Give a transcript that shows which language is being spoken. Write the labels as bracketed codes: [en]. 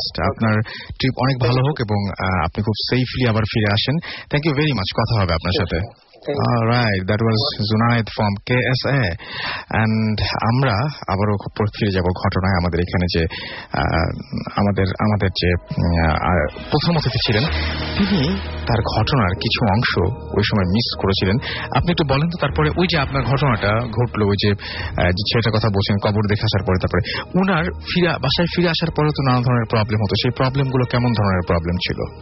[bn] আপনার ট্রিপ অনেক ভালো হোক এবং আপনি খুব সেফলি আবার ফিরে আসেন। [en] thank you very much, [bn] কথা হবে আপনার সাথে। [en] Alright, that was Junaid from KSA. [bn] And আমরা আবারও ফিরে যাবো ঘটনায়। আমাদের এখানে যে আমাদের আমাদের যে প্রথম অতিথি ছিলেন, তিনি তার ঘটনার কিছু অংশ ওই সময় মিস করেছিলেন। আপনি একটু বলেন তো, তারপরে ওই যে আপনার ঘটনাটা ঘটলো, ওই যে ছেলেটার কথা বলছেন, কবর দেখে আসার পরে, তারপরে ওনার বাসায় ফিরে আসার পরেও তো নানা ধরনের প্রবলেম হতো, সেই প্রবলেমগুলো কেমন ধরনের প্রবলেম ছিল?